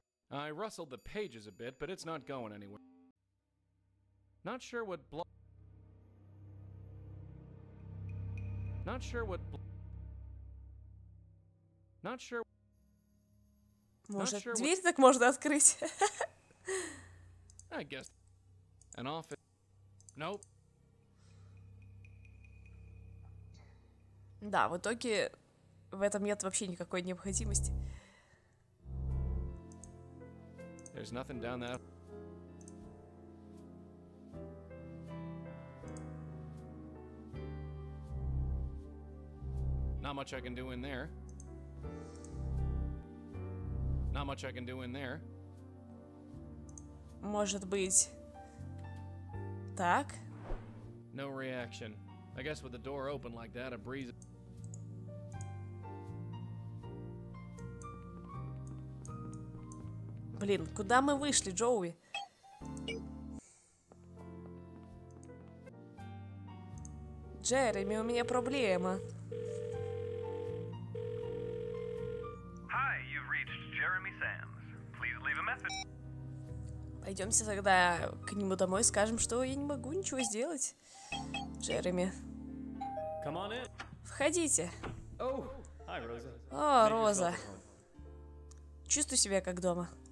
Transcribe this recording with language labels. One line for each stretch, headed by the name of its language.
English: I rustled the pages a bit, but it's not going anywhere. Not sure what blo- Not sure what blo- Not sure.
Russian: Может,
English: not sure
Russian: дверь
English: what...
Russian: так можно открыть?
English: I guess an office. Nope.
Russian: Да, в итоге в этом нет вообще никакой необходимости.
English: There's nothing down there. Not much I can do in there. Not much I can do in there.
Russian: Может быть. Так.
English: No reaction. I guess with the door open like that, a breeze.
Russian: Блин, куда мы вышли, Джоуи? Джереми, у меня проблема.
English: Hi, you've reached Jeremy Sams. Please leave a message.
Russian: Пойдемте тогда к нему домой и скажем, что я не могу ничего сделать. Джереми.
English: Come on in.
Russian: Входите.
English: Oh, hi, Rosa.
Russian: О, Роза. Чувствую себя как дома.